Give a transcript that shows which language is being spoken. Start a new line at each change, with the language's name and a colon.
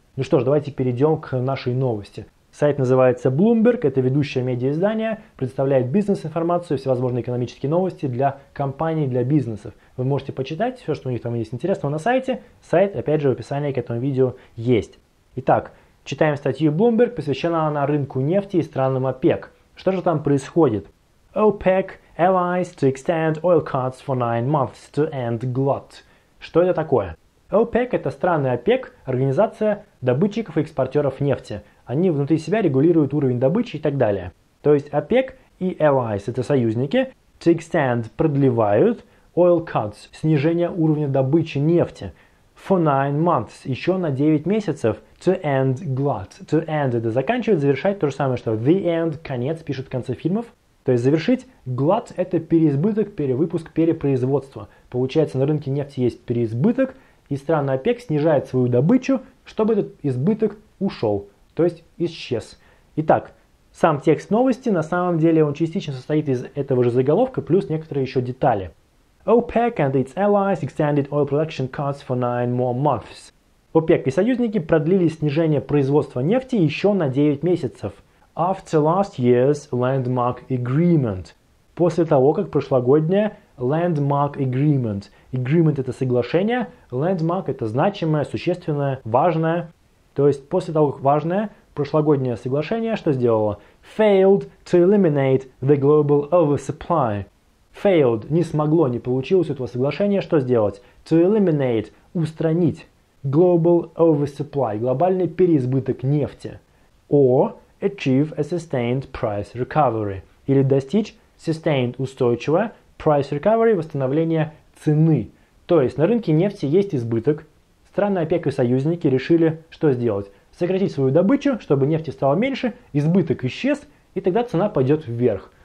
Russian: Ну что ж, давайте перейдем к нашей новости. Сайт называется Bloomberg, это ведущее медиаиздание, представляет бизнес-информацию, всевозможные экономические новости для компаний, для бизнесов. Вы можете почитать все, что у них там есть интересного на сайте. Сайт, опять же, в описании к этому видео есть. Итак, читаем статью Bloomberg, посвящена она рынку нефти и странам ОПЕК. Что же там происходит?
English: OPEC allies to extend oil cuts for 9 months to end glut.
Russian: Что это такое? OPEC — это страны ОПЕК, организация добытчиков и экспортеров нефти. Они внутри себя регулируют уровень добычи и так далее. То есть ОПЕК и allies — это союзники.
English: To extend
Russian: — продлевают
English: oil cuts
Russian: — снижение уровня добычи нефти.
English: For 9 months
Russian: — еще на 9 месяцев.
English: To end glut. To end
Russian: — это заканчивать, завершать, то же самое, что
English: the end,
Russian: конец, пишут в конце фильмов. То есть завершить. Glut — это переизбыток, перевыпуск, перепроизводство. Получается, на рынке нефти есть переизбыток, и страны ОПЕК снижают свою добычу, чтобы этот избыток ушел, то есть исчез. Итак, сам текст новости, на самом деле, он частично состоит из этого же заголовка, плюс некоторые еще детали.
English: OPEC and its allies extended oil production cuts for 9 more months.
Russian: ОПЕК и союзники продлили снижение производства нефти еще на 9 месяцев.
English: After last year's landmark agreement.
Russian: После того, как прошлогоднее
English: landmark agreement.
Russian: Agreement — это соглашение. Landmark — это значимое, существенное, важное. То есть после того, как важное прошлогоднее соглашение, что сделало?
English: Failed to eliminate the global oversupply.
Russian: Failed — не смогло, не получилось у этого соглашения. Что сделать?
English: To eliminate
Russian: — устранить.
English: Global oversupply
Russian: – глобальный переизбыток нефти.
English: Or achieve a sustained price recovery.
Russian: Или достичь sustained – устойчивое,
English: price recovery
Russian: – восстановление цены. То есть на рынке нефти есть избыток. Страны ОПЕК и союзники решили, что сделать? Сократить свою добычу, чтобы нефти стало меньше, избыток исчез, и тогда цена пойдет вверх.